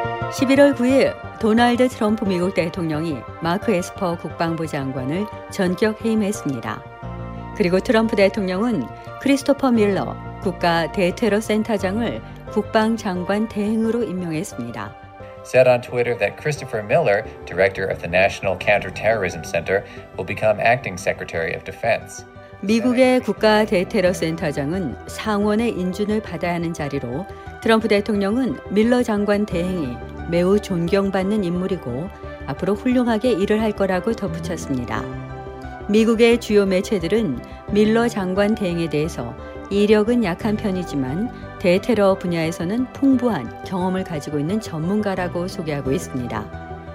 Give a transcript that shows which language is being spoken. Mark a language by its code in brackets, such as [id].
[ko] 11월 9일 도널드 트럼프 미국 대통령이 마크 에스퍼 국방부 장관을 전격 해임했습니다. 그리고 트럼프 대통령은 크리스토퍼 밀러 국가 대테러 센터장을 국방장관 대행으로 임명했습니다. [en] Said on Twitter that Christopher Miller, director of the National Counterterrorism Center, will become acting secretary of defense. [ko] 미국의 국가 대테러 센터장은 상원의 인준을 받아야 하는 자리로 트럼프 대통령은 밀러 장관 대행이 매우 존경받는 인물이고 앞으로 훌륭하게 일을 할 거라고 덧붙였습니다. 미국의 주요 매체들은 밀러 장관 대행에 대해서 이력은 약한 편이지만 대테러 분야에서는 풍부한 경험을 가지고 있는 전문가라고 소개하고 있습니다.